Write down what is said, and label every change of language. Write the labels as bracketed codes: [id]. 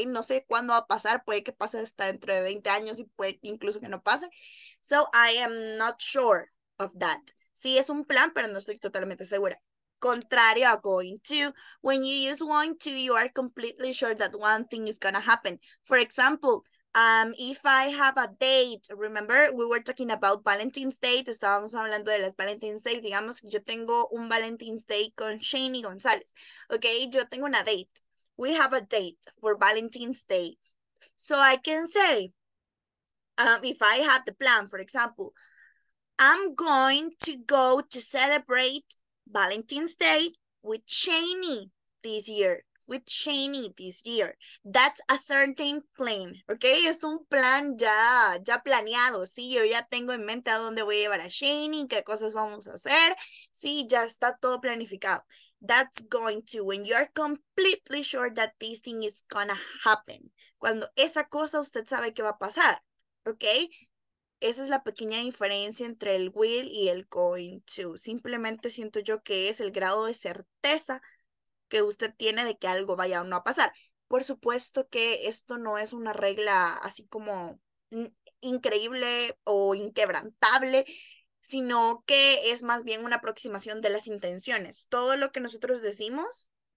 [es] No sé cuándo va a pasar, puede que pase hasta dentro de 20 años y puede incluso que no pase. [en] So I am not sure of that. [es] Sí, es un plan, pero no estoy totalmente segura. Contrario a [en] going to, when you use going to, you are completely sure that one thing is gonna happen. For example, if I have a date, remember we were talking about Valentine's Day, [es] estábamos hablando de las Valentine's Day, digamos que yo tengo un Valentine's Day con Shane y González, ok, yo tengo una date. [en] We have a date for Valentine's Day. So I can say, if I have the plan, for example, I'm going to go to celebrate Valentine's Day with Shaney this year. With Shaney this year. That's a certain plan, ¿ok? [es] Es un plan ya planeado, ¿sí? Yo ya tengo en mente a dónde voy a llevar a Shaney, qué cosas vamos a hacer. Sí, ya está todo planificado. [en] That's going to, when you are completely sure that this thing is gonna happen. [es] Cuando esa cosa usted sabe que va a pasar, ¿ok? Esa es la pequeña diferencia entre el will y el going to. Simplemente siento yo que es el grado de certeza que usted tiene de que algo vaya o no a pasar. Por supuesto que esto no es una regla así como increíble o inquebrantable, sino que es más bien una aproximación de las intenciones. Todo lo que nosotros decimos,